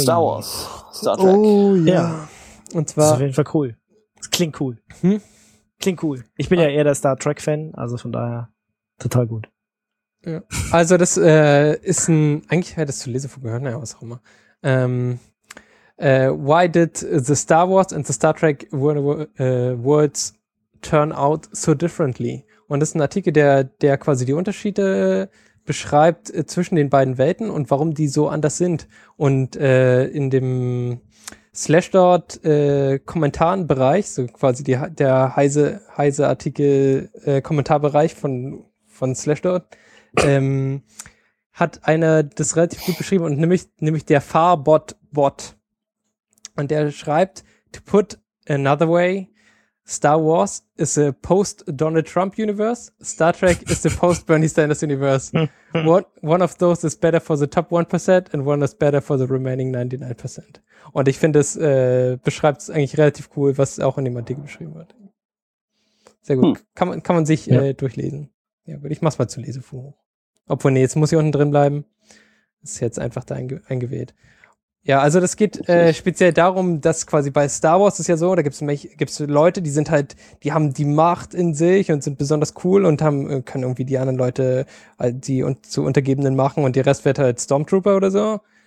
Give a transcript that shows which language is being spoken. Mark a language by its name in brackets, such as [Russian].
[German] Star Wars. Star Trek. Oh ja. Yeah. Und zwar, das ist auf jeden Fall cool. Das klingt cool. Klingt cool. Ich bin ja eher der Star Trek-Fan, also von daher total gut. Ja. Also das ist ein, eigentlich hätte ich das zu lesen von gehört, naja, was auch immer. [English] Why did the Star Wars and the Star Trek worlds turn out so differently? [German] Und das ist ein Artikel, der quasi die Unterschiede beschreibt zwischen den beiden Welten und warum die so anders sind. Und in dem Slashdot Kommentarenbereich, so quasi der heise Artikel Kommentarbereich von Slashdot, hat einer das relativ gut beschrieben, und nämlich der Farbot-Bot. Und der schreibt, [English] to put another way, Star Wars is a post-Donald Trump universe, Star Trek is a post-Bernie Sanders universe. One of those is better for the top 1% and one is better for the remaining 99%. [German] Und ich finde, es beschreibt es eigentlich relativ cool, was auch in dem Artikel beschrieben wird. Sehr gut. Kann man sich durchlesen. Ja, gut, ich mach's mal zu Lesefuhr. Obwohl, nee, jetzt muss ich unten drin bleiben. Ist jetzt einfach da eingewählt. Ja, also das geht speziell darum, dass quasi bei Star Wars ist ja so, da gibt's Leute, die sind halt, die haben die Macht in sich und sind besonders cool und können irgendwie die anderen Leute zu Untergebenen machen und der Rest wird halt Stormtrooper oder so.